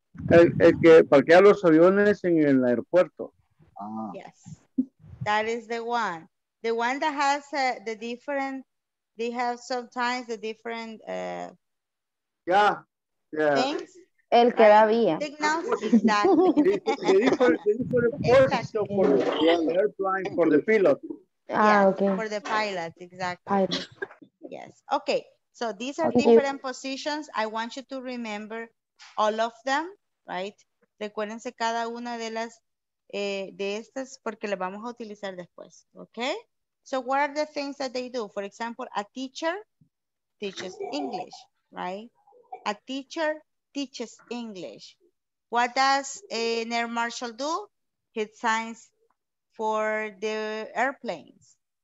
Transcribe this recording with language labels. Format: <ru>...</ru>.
<es>El que parquea los aviones en el aeropuerto.</es> <en>Ah. Yes, that is the one. The one that has the different, they have sometimes the different things.</en> <es>El que da vía.</es> <en>Signals, exactly. the airplane for the pilot. Ah, yes, okay. For the pilot, exactly. Pilot. Yes, okay. So these are different positions. I want you to remember all of them. Right?</en> <es>Recuérdense cada una de las de estas porque las vamos a utilizar después.</es> <en>Okay? So what are the things that they do? For example, a teacher teaches English, right? A teacher teaches English. What does an air marshal do? He signs for the airplanes.</en>